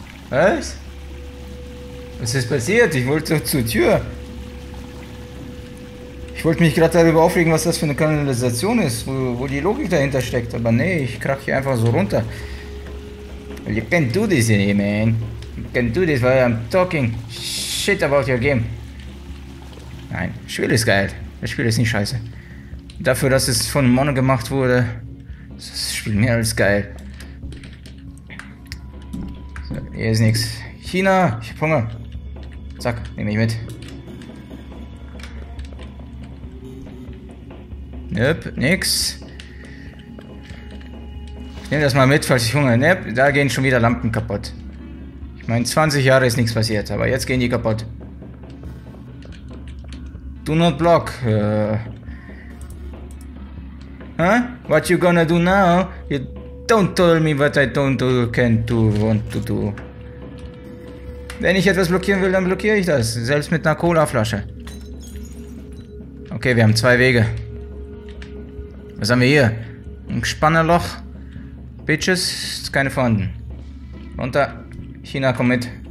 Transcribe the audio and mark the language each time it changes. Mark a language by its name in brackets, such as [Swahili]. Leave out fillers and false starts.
[German] Was? Was ist passiert? Ich wollte doch zur Tür. Ich wollte mich gerade darüber aufregen, was das für eine Kanalisation ist, wo die Logik dahinter steckt. Aber nee, ich krach hier einfach so runter. [English] You can't do this in here, man. You can't do this while I'm talking shit about your game. [German] Nein, das Spiel ist geil. Das Spiel ist nicht scheiße. Dafür, dass es von Mono gemacht wurde, ist das Spiel mehr als geil. So, hier ist nichts. China, ich hab Hunger. Zack, nehme ich mit. Nope, nix. Ich nehme das mal mit, falls ich Hunger habe. Da gehen schon wieder Lampen kaputt. Ich meine, 20 Jahre ist nichts passiert, aber jetzt gehen die kaputt. [English] Do not block. Huh? What you gonna do now? You don't tell me what I don't do, can do, want to do. [German] Wenn ich etwas blockieren will, dann blockiere ich das. Selbst mit einer Cola-Flasche. Okay, wir haben zwei Wege. Was haben wir hier? Ein Spannerloch. Bitches, ist keine vorhanden. Runter. China, komm mit.